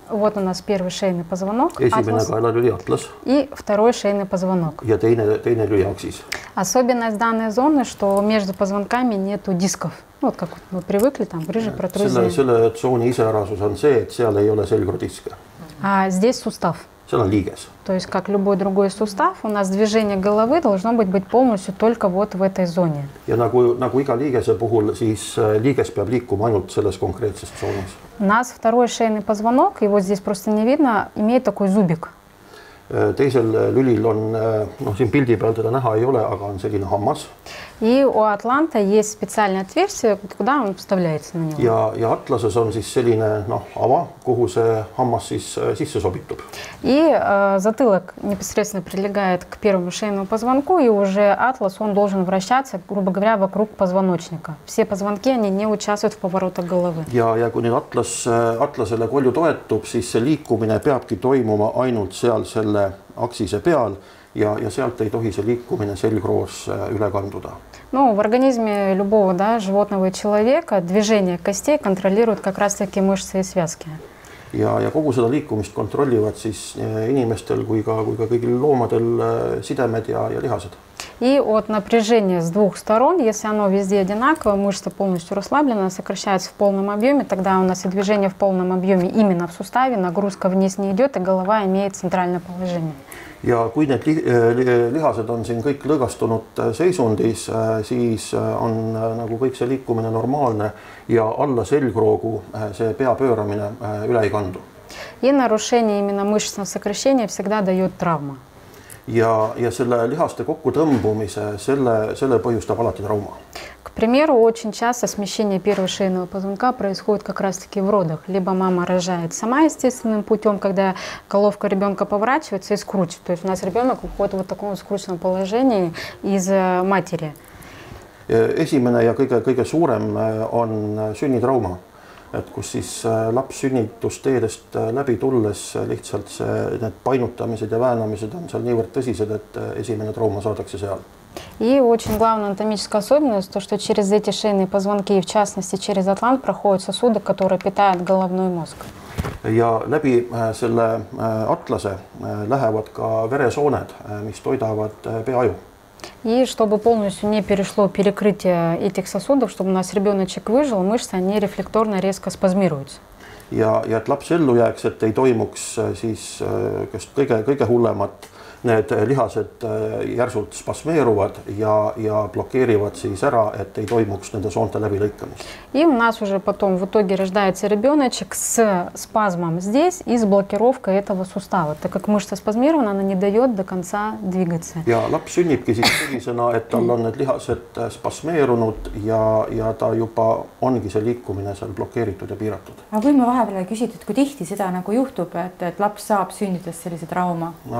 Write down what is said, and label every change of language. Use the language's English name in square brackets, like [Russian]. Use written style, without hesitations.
[Russian] Вот у нас первый шейный позвонок. [Estonian] Esimene kaelalüli Atlas. [Russian] И второй шейный позвонок. [Estonian] Ja teine lüli Axis. [Russian] Особенность данной зоны, что между позвонками нету дисков. Вот как мы привыкли там, грыжи, протрузии. [Estonian] Selle tsooni iseärasus on see, et seal ei ole selgrodiske. [Russian] А здесь сустав. [Estonian] Seal on liiges. [Russian] То есть, как любой другой сустав, у нас движение головы должно быть полностью только вот в этой зоне. [Estonian] Ja nagu iga liigese puhul, siis liiges peab liikuma ainult selles konkreetses tsoonis. [Russian] У нас второй шейный позвонок, его здесь просто не видно, имеет такой зубик. [Estonian] Teisel lülil on, noh, siin pildi peal teda näha ei ole, aga on selline hammas. [Russian] И у Атланта есть специальное отверстие, куда он вставляется на него. [Estonian] Ja Atlases on siis selline, noh, ava, kuhu see hammas siis sisse sobitub. [Russian] И затылок непосредственно прилегает к первому шейному позвонку, и уже Атлас, он должен вращаться, грубо говоря, вокруг позвоночника. Все позвонки, они не участвуют в поворотах головы. [Estonian] Ja kui nüüd Atlasele kolju toetub, siis see liikumine peabki toimuma ainult seal selle aksise peal, ja sealt ei tohi see liikumine selgroos üle kanduda. [Russian] Ну, в организме любого, да, животного и человека движение костей контролируют как раз таки мышцы и связки. [Estonian] Ja kogu seda liikumist kontrollivad siis inimestel kui ka kõigil loomadel sidemed ja lihased. [Russian] И от напряжения с двух сторон, если оно везде одинаково, мышца полностью расслаблена, сокращается в полном объеме, тогда у нас и движение в полном объеме именно в суставе, нагрузка вниз не идет, и голова имеет центральное положение. [Estonian] Ja kui need lihased on siin kõik lõõgastunud seisundis, siis on nagu kõik see liikumine normaalne ja alla selgroogu see pea pööramine üle ei kandu. [Russian] Ja narušenie именно мышечного сокращения всегда дает травму. [Estonian] Ja selle lihaste kokku tõmbumise, selle põhjustab alati trauma. [Russian] К примеру, очень часто смещение первого шейного позвонка происходит как раз-таки в родах. Либо мама рожает сама естественным путем, когда головка ребенка поворачивается и скручивает. То есть у нас ребенок уходит вот в таком скрученном положении из матери. [Estonian] Esimene ja kõige suurem on sünnitrauma. Et kus siis laps sünnitusteedest läbi tulles lihtsalt see, need painutamised ja väänamised on seal niivõrd tõsised, et esimene trauma saadakse seal. [Russian] И очень главная анатомическая особенность, то, что через эти шейные позвонки и в частности через атлант проходят сосуды, которые питают головной мозг. [Estonian] Ja läbi selle atlase lähevad ka veresooned, mis toidavad peaaju. [Russian] И чтобы полностью не перешло перекрытие этих сосудов, чтобы у нас ребеночек выжил, мышцы они рефлекторно резко спазмируются. [Estonian] Ja et laps ellu jääks, et ei toimuks siis kõige hullemat, need lihased järsult spasmeeruvad ja blokeerivad siis ära, et ei toimuks nende soonte läbi lõikamist. [Russian] И у нас уже потом в итоге рождается ребеночек с спазмом здесь и с блокировкой этого сустава. Так как мышца спазмирована, она не дает до конца двигаться. [Estonian] Ja laps sünnibki siis sellisena, et tal on need lihased spasmeerunud ja ta juba ongi see liikumine seal blokeeritud ja piiratud. Aga võime vahepeal küsida, et kui tihti seda nagu juhtub, et laps saab sünnides sellise trauma?